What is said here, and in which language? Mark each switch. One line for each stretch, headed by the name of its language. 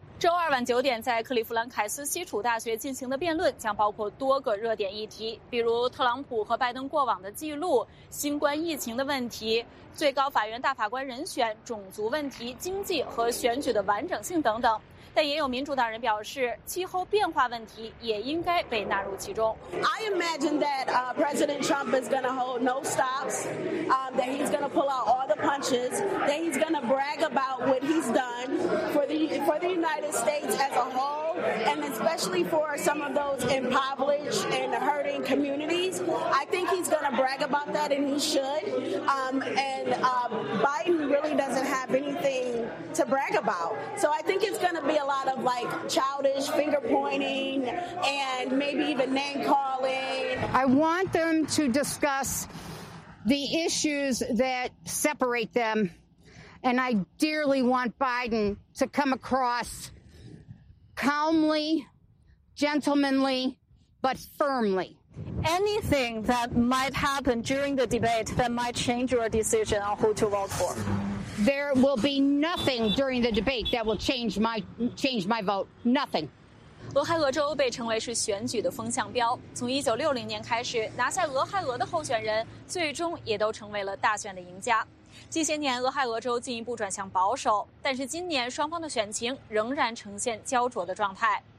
Chinese: 周二晚9点在克利夫兰凯斯西楚大学进行的辩论将包括多个热点议题，比如特朗普和拜登过往的记录、新冠疫情的问题、最高法院大法官人选、种族问题、经济和选举的完整性等等。但也有民主党人表示，气候变化问题也应该被纳入其中。
English: I imagine that President Trump is going to hold no stops, that he's going to pull out all the punches, that he's going to brag about what he's done for the United States as a whole, and especially for some of those impoverished and hurting communities. I think he's going to brag about that, and he should. Biden really doesn't have anything to brag about. So I think it's going to be a lot of like childish finger pointing and maybe even name calling. I want them to discuss the issues that separate them. And I dearly want Biden to come across calmly, gentlemanly, but firmly. Anything that might happen during the debate that might change your decision on who to vote for? There will be nothing during the debate that will change my vote. Nothing.
Chinese: 俄亥俄州被称为是选举的风向标。从1960年开始，拿下俄亥俄的候选人最终也都成为了大选的赢家。近些年俄亥俄州进一步转向保守，但是今年双方的选情仍然呈现焦灼的状态。